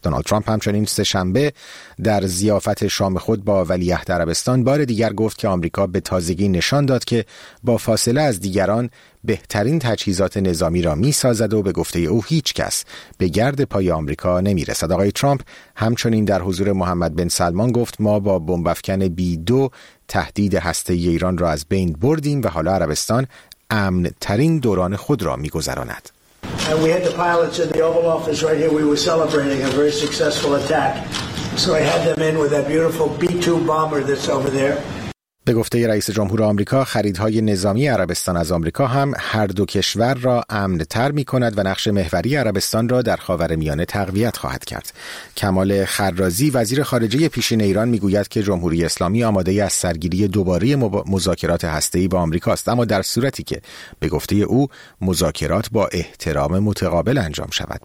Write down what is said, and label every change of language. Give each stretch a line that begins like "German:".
Persian: دونالد ترامپ همچنین سه‌شنبه در ضیافت شام خود با ولیعهد عربستان بار دیگر گفت که آمریکا به تازگی نشان داد که با فاصله از دیگران بهترین تجهیزات نظامی را می‌سازد و به گفته او هیچ کس به گرد پای آمریکا نمی‌رسد. آقای ترامپ همچنین در حضور محمد بن سلمان گفت ما با بمب‌افکن B2 تهدید هسته‌ای ایران را از بین بردیم و حالا عربستان امن‌ترین دوران خود را می‌گذراند.
English: And we had the pilots in the Oval Office right here. We were celebrating a very successful attack. So I had them in with that beautiful B2 bomber that's over there.
Persian: به گفته رئیس جمهور آمریکا، خریدهای نظامی عربستان از آمریکا هم هر دو کشور را امن‌تر می‌کند و نقش محوری عربستان را در خاورمیانه تقویت خواهد کرد. کمال خرازی، وزیر خارجه پیشین ایران، می‌گوید که جمهوری اسلامی آماده از سرگیری دوباره مذاکرات هسته‌ای با آمریکاست، اما در صورتی که به گفته او مذاکرات با احترام متقابل انجام شود.